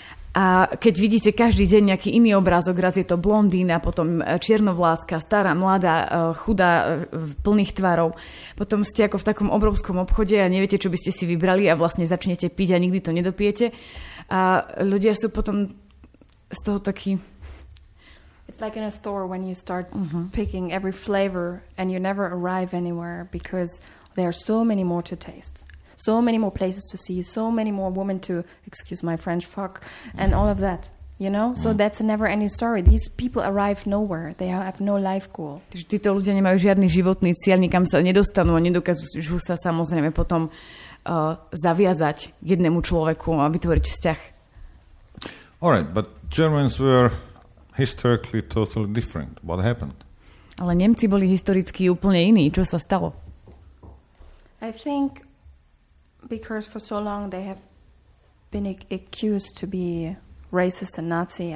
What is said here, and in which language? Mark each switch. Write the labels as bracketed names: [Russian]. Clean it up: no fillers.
[Slovak] A keď vidíte každý deň nejaký iný obrázok, raz je to blondína, potom čiernovláska, stará, mladá, chudá, plných tvarov, potom ste ako v takom obrovskom obchode a neviete, čo by ste si vybrali a vlastne začnete piť a nikdy to nedopijete. A ľudia sú potom z toho takí... [English] It's like in a store when you start picking every flavor and you never arrive anywhere because there are so many more to taste. So many more places to see, so many more women to, excuse my French, fuck, and all of that, you know? So that's a never-ending story. These people arrive nowhere. They have no life goal. [Slovak] Takže títo ľudia nemajú žiadny životný cieľ, nikam sa nedostanú a nedokážu sa samozrejme potom zaviazať jednému človeku a vytvoriť vzťah. [English] All right, but Germans were historically totally different. What happened? [Slovak] Ale Nemci boli historicky úplne iní. Čo sa stalo? [English] I think... Because for so long they have been accused to be racist and Nazi.